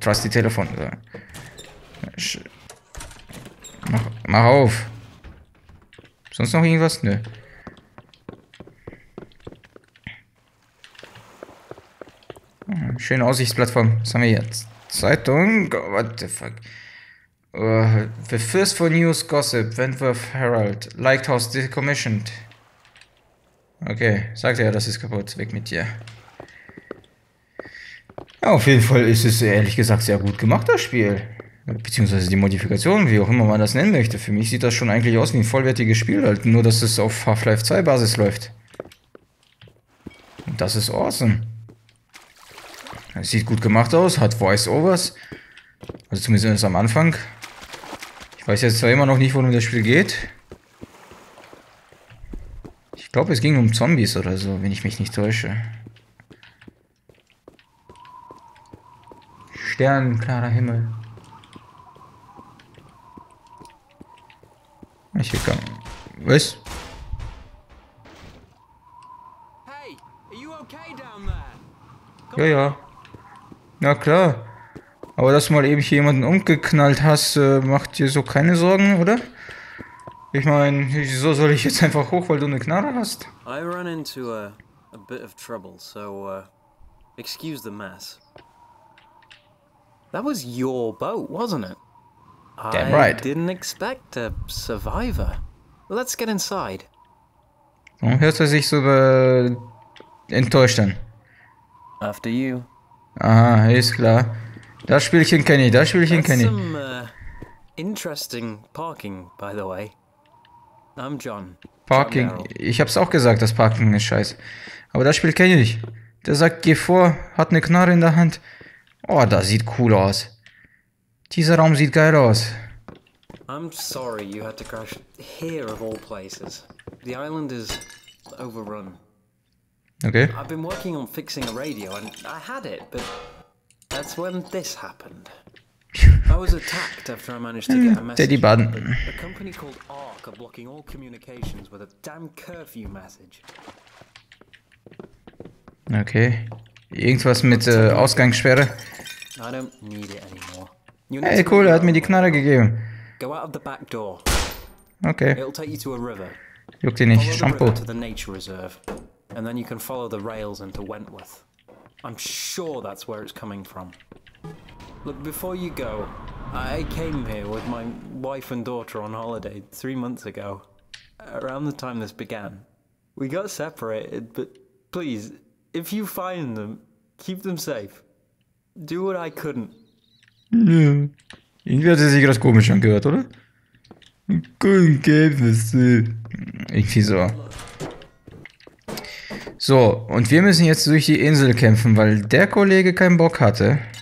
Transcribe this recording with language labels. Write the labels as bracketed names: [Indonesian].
[German] Trusty Telefon. Mach auf. Sonst noch irgendwas? Nö. Schöne Aussichtsplattform. Was haben wir jetzt? Zeitung? [English] Oh, what the fuck? The first for news gossip. Wentworth Herald. Lighthouse decommissioned. [German] Okay, sagt er, das ist kaputt. Weg mit dir. Ja, auf jeden Fall ist es ehrlich gesagt sehr gut gemacht, das Spiel. Beziehungsweise die Modifikation, wie auch immer man das nennen möchte. Für mich sieht das schon eigentlich aus wie ein vollwertiges Spiel, halt nur dass es auf Half-Life 2 Basis läuft. Und das ist awesome. Sieht gut gemacht aus, hat Voice-Overs. Also zumindest am Anfang. Ich weiß jetzt zwar immer noch nicht, worum das Spiel geht. Ich glaube, es ging um Zombies oder so, wenn ich mich nicht täusche. Sternklarer Himmel. Ich will kommen. Was? [English] Hey, are you okay down there? [German] Ja, ja. Na klar, aber dass du mal eben hier jemanden umgeknallt hast, macht dir so keine Sorgen, oder? Ich meine, wieso soll ich jetzt einfach hoch, weil du eine Knarre hast? [English] I run into a bit of trouble, so excuse the mess. That was your boat, wasn't it? Damn right. I didn't expect a survivor. Let's get inside. [German] Warum hört er sich so enttäuscht an? [English] After you. [German] Aha, ist klar. Das Spielchen kenne ich, das Spielchen kenne ich. [English] Some interesting parking, by the way. I'm John. Parking. [German] Ich hab's auch gesagt, das Parken ist scheiße. Aber das Spiel kenne ich. Der sagt, geh vor, hat eine Knarre in der Hand. Oh, das sieht cool aus. Dieser Raum sieht geil aus. [English] I'm sorry you had to crash here of all places. The island is overrun. Okay. I've been working on fixing a radio and I had it, but that's when this happened. I was attacked after I managed to get a message. Teddy Button. A company called Ark are blocking all communications with a damn curfew message. Okay. [German] Irgendwas mit Ausgangssperre. [English] I don't need it anymore. [German] Hey, cool, er hat mir die Knarre gegeben. [English] Go out of the back door. Okay. It'll take you to a river. [German] Juckt ihn nicht, Shampoo. [English] To the nature reserve. And then you can follow the rails into Wentworth. I'm sure that's where it's coming from. Look, before you go, I came here with my wife and daughter on holiday 3 months ago, around the time this began. We got separated, but please, if you find them, keep them safe. Do what I couldn't. [German] Ja, irgendwie hat sie sich gerade komisch angehört, oder? Kein Geld, irgendwie so. So, und wir müssen jetzt durch die Insel kämpfen, weil der Kollege keinen Bock hatte.